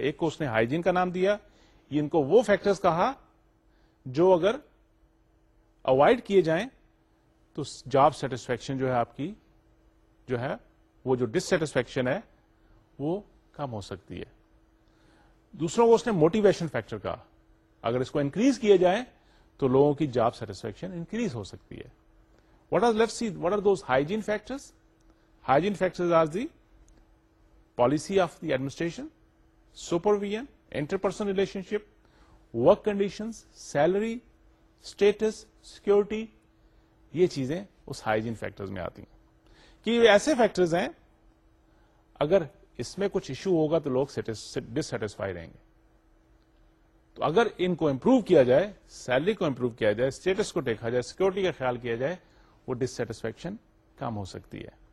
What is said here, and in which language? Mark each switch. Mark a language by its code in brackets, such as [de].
[ur] ایک کو اس نے ہائیجین کا نام دیا, ان کو وہ فیکٹرز کہا جو اگر اوائڈ کیے جائیں تو جاب سیٹسفیکشن جو ہے آپ کی جو ہے وہ جو ڈس سیٹسفیکشن ہے وہ کم ہو سکتی ہے. دوسرا وہ اس نے موٹیویشن فیکٹر کہا, اگر اس کو انکریز کیے جائیں تو لوگوں کی جاب سیٹسفیکشن انکریز ہو سکتی ہے. [en] What are let's see what are those hygiene factors. Hygiene factors are the policy of the administration, supervision, interpersonal relationship, work conditions, salary, status, security. [ur] یہ چیزیں اس ہائیجین فیکٹرز میں آتی ہیں کہ ایسے فیکٹرز ہیں اگر اس میں کچھ ایشو ہوگا تو لوگ ڈسٹسفائی رہیں گے. تو اگر ان کو امپروو کیا جائے, سیلری کو امپروو کیا جائے, اسٹیٹس کو دیکھا جائے, سیکورٹی کا خیال کیا جائے, وہ ڈسٹسفیکشن کم ہو سکتی ہے.